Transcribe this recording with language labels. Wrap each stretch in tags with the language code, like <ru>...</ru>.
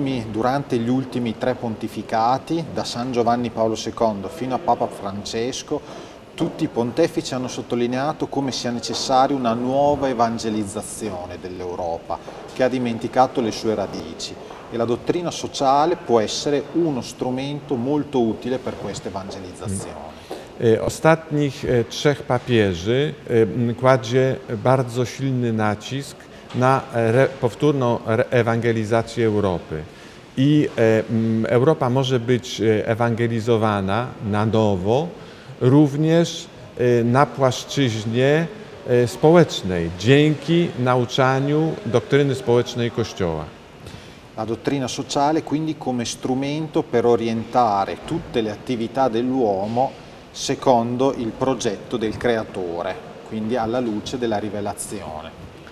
<it>Durante gli ultimi tre pontificati, da San Giovanni Paolo II fino a Papa Francesco, tutti i pontefici hanno sottolineato come sia necessaria una nuova evangelizzazione dell'Europa, che ha dimenticato le sue radici. E la dottrina sociale può essere uno strumento molto utile per questa evangelizzazione.</it> <pl>Ostatnich trzech papieży kładzie bardzo silny nacisk na powtórną ewangelizację Europy. I Europa może być ewangelizowana na nowo, również na płaszczyźnie społecznej, dzięki nauczaniu doktryny społecznej Kościoła.</pl> <it>La dottrina sociale quindi come strumento per orientare tutte le attività dell'uomo secondo il progetto del Creatore, quindi alla luce della rivelazione.</it>